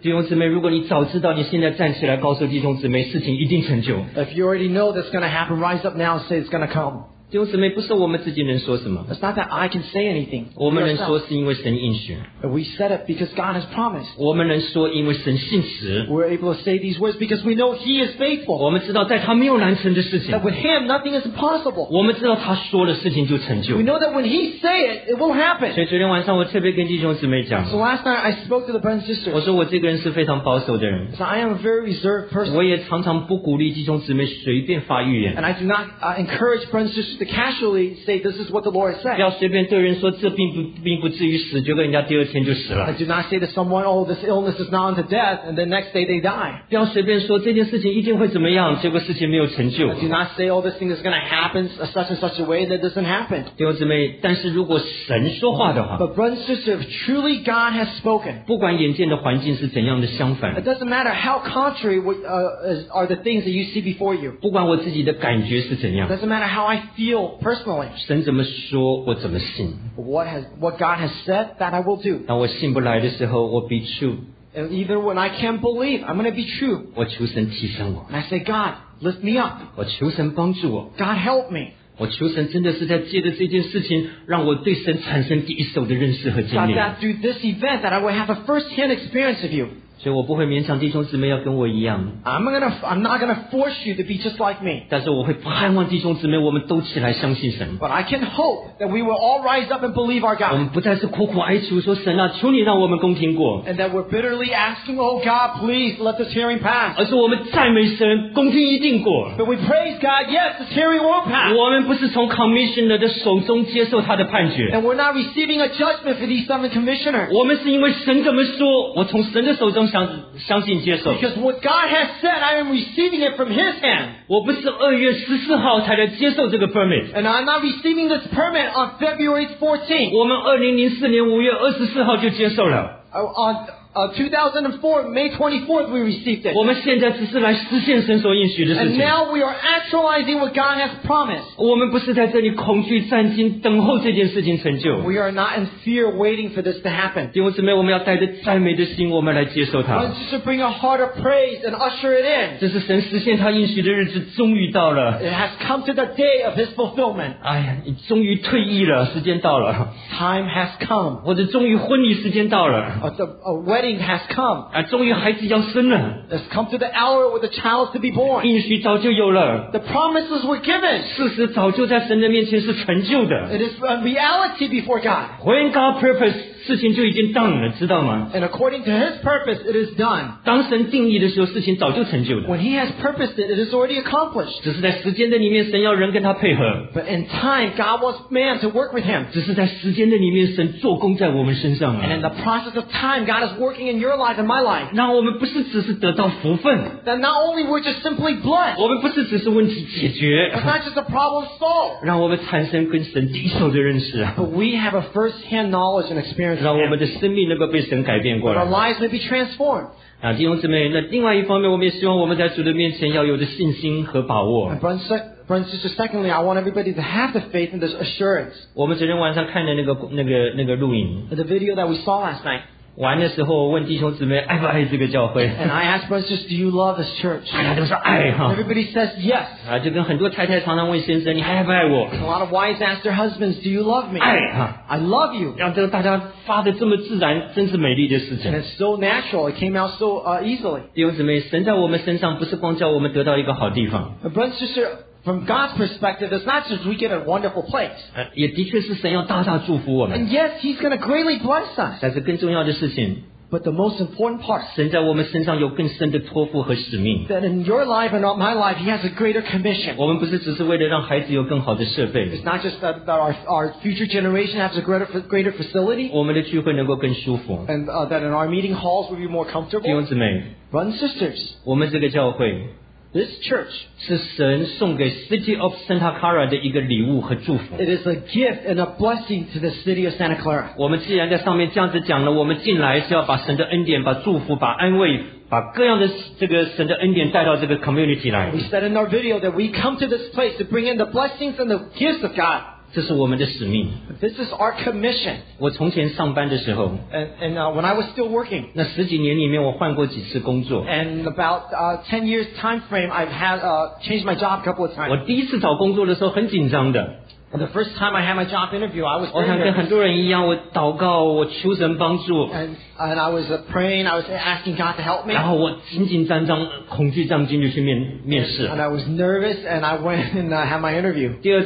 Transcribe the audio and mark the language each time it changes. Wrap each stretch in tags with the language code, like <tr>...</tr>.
<zh>弟兄姊妹，如果你早知道，你现在站起来告诉弟兄姊妹，事情一定成就。</zh> <en>If you already know that's going to happen, rise up now and say it's going to come.</en> <zh>弟兄姊妹，不是我们自己能说什么。</zh> <en>It's not that I can say anything.</en> <zh>我们能说是因为神应许。</zh> <en>We said it because God has promised.</en> <zh>我们能说因为神信实。</zh> <en>We're able to say these words because we know He is faithful.</en> <zh>我们知道在他没有难成的事情。</zh> <en>That with Him, nothing is impossible.</en> <zh>我们知道他说的事情就成就。</zh> <en>We know that when He say it, it will happen.</en> <zh>所以昨天晚上我特别跟弟兄姊妹讲。</zh> <en>So last night I spoke to the brothers and sisters.</en> <zh>我说我这个人是非常保守的人。</zh> <en>So I am a very reserved person.</en> <zh>我也常常不鼓励弟兄姊妹随便发预言。</zh> <en>And I do not encourage brothers and sisters to casually say this is what the Lord said.</en> <zh>要随便对人说这并不至于死，结果人家第二天就死了。</zh> <en>And do not say to someone, oh, this illness is not unto death, and the next day they die.</en> <zh>要随便说这件事情一定会怎么样，结果事情没有成就。</zh> <en>And do not say, oh, this thing is going to happen such and such a way that doesn't happen.</en> <zh>弟兄姊妹，但是如果神说话的话</zh> <en>，But brothers and sisters, if truly God has spoken.</en> <zh>不管眼见的环境是怎样的相反</zh> <en>，It doesn't matter how contrary are the things that you see before you.</en> <zh>不管我自己的感觉是怎样</zh> <en>，It doesn't matter how I feel personally.</en> <zh>神怎么说，我怎么信。</zh> <en>What God has said, that I will do.</en> <zh>当我信不来的时候，我必true。</zh> <en>And even when I can't believe, I'm going to be true.</en> <zh>我求神提升我。</zh> <en>And I say, God, lift me up.</en> <zh>我求神帮助我。</zh> <en>God, help me.</en> <zh>我求神真的是在借着这件事情让我对神产生第一手的认识和经历。</zh> <en>God, that through this event that I will have a first-hand experience of you.</en> <zh>所以我不会勉强弟兄姊妹要跟我一样。</zh> <en>I'm not going to force you to be just like me.</en> <zh>但是我会盼望弟兄姊妹我们都起来相信神。</zh> <en>But I can hope that we will all rise up and believe our God.</en> <zh>我们不再是苦苦哀求说神啊求你让我们公平过。</zh> <en>And that we're bitterly asking, oh God, please let this hearing pass.</en> <zh>而是我们赞美神公平一定过。</zh> <en>But we praise God, yes, this hearing will pass.</en> <zh>我们不是从 commissioner 的手中接受他的判决。</zh> <en>And we're not receiving a judgment for these seven commissioners.</en> <zh>我们是因为神怎么说我从神的手中相信接受。</zh> <en>Because what God has said, I am receiving it from His hand.</en> <zh>我不是2月14号才来接受这个 permit.</zh> <en>And I'm not receiving this permit on February 14th.</en> <zh>我们2004年5月24号就接受了。</zh> <en>2004, May 24th, we received it.</en> <zh>我们现在只是来实现神所应许的事情。</zh> <en>And now we are actualizing what God has promised.</en> <zh>我们不是在这里恐惧战惊等候这件事情成就。</zh> <en>We are not in fear waiting for this to happen.</en> <zh>弟兄姊妹，我们要带着赞美的心，我们来接受它。</zh> <en>Let's just bring a heart of praise and usher it in.</en> <zh>这是神实现他应许的日子终于到了。</zh> <en>It has come to the day of His fulfillment.</en> <zh>哎呀，你终于退役了，时间到了。</zh> <en>Time has come.</en> <zh>或者终于婚礼时间到了。</zh> <en>A wedding. Has come.</en> <zh>啊，终于孩子要生了。</zh> <en>It's come to the hour where the child is to be born.</en> <zh>应许早就有了。</zh> <en>The promises were given.</en> <zh>事实早就在神的面前是成就的。</zh> <en>It is a reality before God. When God's purpose,</en> <zh>事情就已经</zh> <en>done</en> <zh>了，知道吗？</zh> <en>And according to His purpose, it is done.</en> <zh>当神定义的时候，事情早就成就了。</zh> <en>When He has purposed it, it is already accomplished.</en> <zh>只是在时间的里面，神要人跟他配合。</zh> <en>But in time, God wants man to work with Him.</en> <zh>只是在时间的里面，神做工在我们身上啊。</zh> <en>And in the process of time, God is working. In your life and my life.</en> <zh>那我们不是只是得到福分。</zh> <en>That not only we're just simply blessed.</en> <zh>我们不是只是问题解决。</zh> <en>But not just a problem solved.</en> <zh>让我们产生跟神第一手的认识。</zh> <en>But we have a first-hand knowledge and experience.</en> <zh>让我们的生命能够被神改变过来。</zh> <en>Our lives may be transformed.</en> <zh>那弟兄姊妹，那另外一方面，我们也希望我们在主的面前要有的信心和把握。</zh> <en>Friends, just secondly, I want everybody to have the faith and the assurance.</en> <zh>我们昨天晚上看的那个录影。</zh> <en>The video that we saw last night.</en> <zh>玩的时候问弟兄姊妹爱不爱这个教会</zh> <en>And I ask brothers, do you love this church?</en> <zh>大家都说爱哈</zh> <en>Everybody says yes.</en> <zh>啊，就跟很多太太常常问先生你爱不爱我</zh> <en>A lot of wives ask their husbands, do you love me?</en> <zh>爱哈</zh> <en>I love you.</en> <zh>让这个大家发的这么自然真是美丽的事情</zh> <en>And it's so natural, it came out so easily.</en> <zh>弟兄姊妹神在我们身上不是光叫我们得到一个好地方</zh> <en>Brothers, sisters,From God's perspective, it's not just we get a wonderful place.</en> <zh>也的确是神要大大祝福我们。</zh> <en>And yes, He's going to greatly bless us.</en> <zh>但是更重要的事情。</zh> <en>But the most important part.</en> <zh>神在我们身上有更深的托付和使命。</zh> <en>That in your life and not my life, He has a greater commission.</en> <zh>我们不是只是为了让孩子有更好的设备。</zh> <en>It's not just that our future generation has a greater facility.</en> <zh>我们的聚会能够更舒服。</zh> <en>And that in our meeting halls will be more comfortable.</en> <zh>弟兄姊妹。</zh> <en>Brothers and sisters.</en> <zh>我们这个教会。</zh> <en>This church</en> <zh>是神送给 City of Santa Clara 的一个礼物和祝福。</zh> <en>It is a gift and a blessing to the City of Santa Clara.</en> <zh>我们既然在上面这样子讲了，我们进来是要把神的恩典、把祝福、把安慰。把各样的这个神的恩典带到这个 community 来。</zh> <en>We said in our video that we come to this place to bring in the blessings and the gifts of God.</en> <zh>这是我们的使命。</zh> <en>This is our commission.</en> <zh>我从前上班的时候</zh> <en>，and when I was still working.</en> <zh>那十几年里面，我换过几次工作。</zh> <en>And about 10 years time frame, I've had changed my job a couple of times.</en> <zh>我第一次找工作的时候很紧张的。</zh> <en>And the first time I had my job interview, I was praying. And I was praying, I was asking God to help me. And I was nervous, and I went and had my interview.</en>